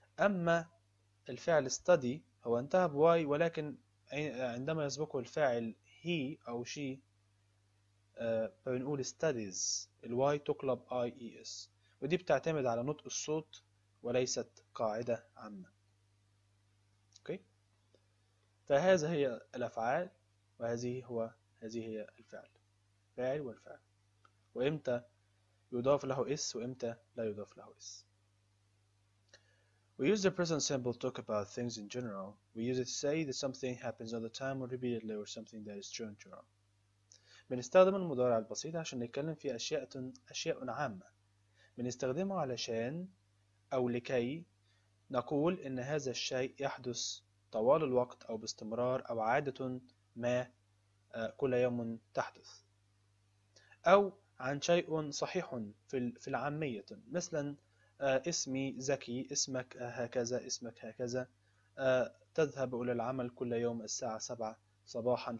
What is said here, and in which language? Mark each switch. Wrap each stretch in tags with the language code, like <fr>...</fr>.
<ar>أما الفعل study هو انتهى ب Y ولكن عندما يسبقه الفاعل he أو she بنقول studies، ال Y تقلب I E S، ودي بتعتمد على نطق الصوت وليست قاعدة عامة. أوكي، فهذا هي الأفعال وهذه هي الفعل، فاعل والفعل، وإمتى يضاف له اس وامتى لا يضاف له اس.</ar> <en>We use the present simple to talk about things in general. We use it to say that something happens all the time or repeatedly or something that is true in general.</en> <ar>بنستخدم المضارع البسيط عشان نتكلم في أشياء عامة. بنستخدمه علشان أو لكي نقول إن هذا الشيء يحدث طوال الوقت أو باستمرار أو عادة ما كل يوم تحدث، أو عن شيء صحيح في العامية، مثلا اسمي زكي، اسمك هكذا، اسمك هكذا، تذهب إلى العمل كل يوم الساعة 7 صباحا.</ar>